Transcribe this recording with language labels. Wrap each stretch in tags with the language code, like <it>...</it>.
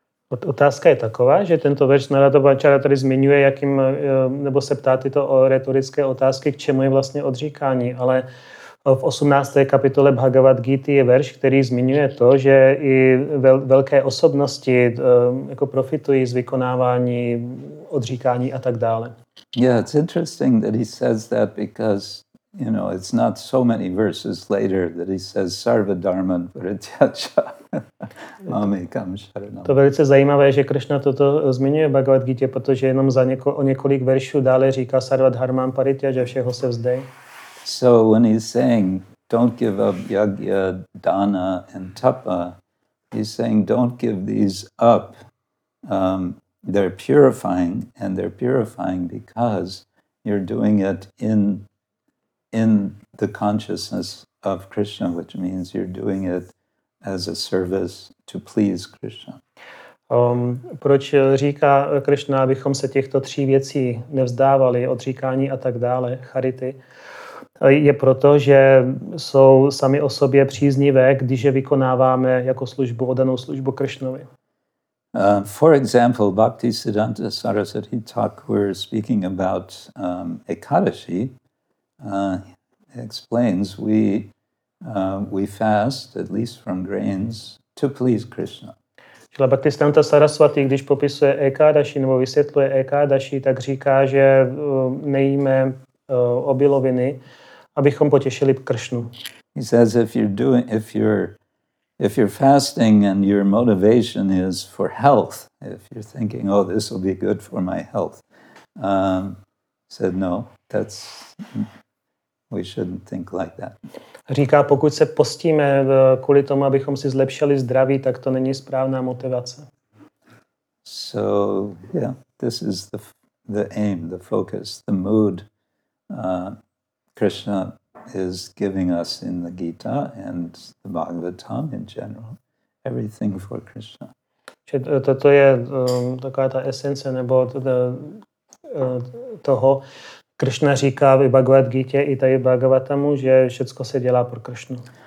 <cs>Otázka je taková, že tento verš Naradobáčara tady zmiňuje, jakým, nebo se ptá tyto o retorické otázky, k čemu je vlastně odříkání, ale v 18. kapitole Bhagavad Gita je verš, který zmiňuje to, že i velké osobnosti jako profitují z vykonávání odříkání a tak dále.</cs> <en>Yeah, it's interesting that he says that because, you know, it's not so many verses later that he says</en> <sa>sarva dharma pratyacha mami kam sharanam.</sa> <cs>To velice zajímavé, že Krishna toto zmiňuje v Bhagavad Gita, protože jenom o několik veršů dále říká</cs> <sa>sarva dharma pratyacha,</sa> <cs>všeho se vzdej.</cs> <en>So when he's saying, don't give up yagya, dana, and tapa, he's saying, don't give these up. They're purifying because you're doing it in in the consciousness of Krishna, which means you're doing it as a service to please Krishna.</en> <cs>Proč říká Krishna, abychom se těchto tří věcí nevzdávali, odříkání a tak dále, charity, je proto, že jsou sami o sobě příznivé, když je vykonáváme jako službu, oddanou službu Krishnovi.</cs> <en>For example, Bhakti Siddhanta Sarasvati Thakur speaking about Ekadashi explains we fast at least from grains to please Krishna.</en> <cs>Čila Bhakti Siddhanta Sarasvati, když popisuje Ekadashi nebo vysvětluje Ekadashi, tak říká, že nejíme obiloviny, abychom potěšili Kršnu.</cs> <en>He says if you're fasting and your motivation is for health, if you're thinking, oh, this will be good for my health, said no, that's we shouldn't think like that.</en> <cs>Říká, pokud se postíme kvůli tomu, abychom si zlepšili zdraví, tak to není správná motivace.</cs> <en>So, yeah, this is the aim, the focus, the mood Krishna is giving us in the Gita and the Bhagavatam in general. Everything for Krishna.</en> <cs>To je taková ta esence nebo toho, Krishna říká v Bhagavad Gita i tady v Bhagavatamu, že všecko se dělá pro Krishnu.</cs>